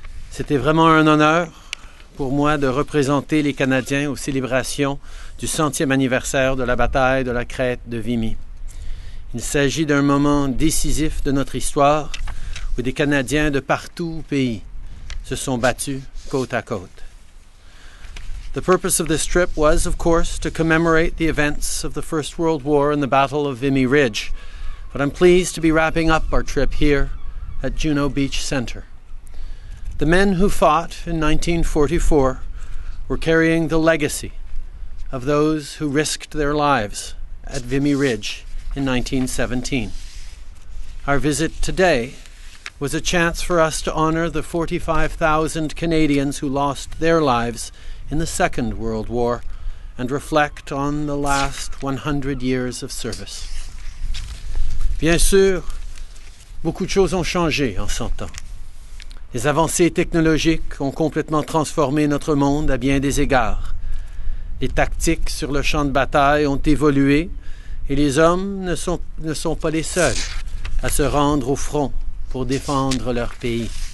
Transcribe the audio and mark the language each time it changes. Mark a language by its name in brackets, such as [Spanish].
[French] C'était vraiment un honneur pour moi de représenter les Canadiens aux célébrations du 100e anniversaire de la bataille de la crête de Vimy. Il s'agit d'un moment décisif de notre histoire où des Canadiens de partout au pays se sont battus côte à côte. [English] The purpose of this trip was, of course, to commemorate the events of the First World War and the Battle of Vimy Ridge, but I'm pleased to be wrapping up our trip here at Juneau Beach Center. The men who fought in 1944 were carrying the legacy of those who risked their lives at Vimy Ridge in 1917. Our visit today was a chance for us to honor the 45,000 Canadians who lost their lives in the Second World War and reflect on the last 100 years of service. [French] Bien sûr, beaucoup de choses ont changé en 100 ans. Les avancées technologiques ont complètement transformé notre monde à bien des égards. Les tactiques sur le champ de bataille ont évolué et les hommes ne sont pas les seuls à se rendre au front pour défendre leur pays.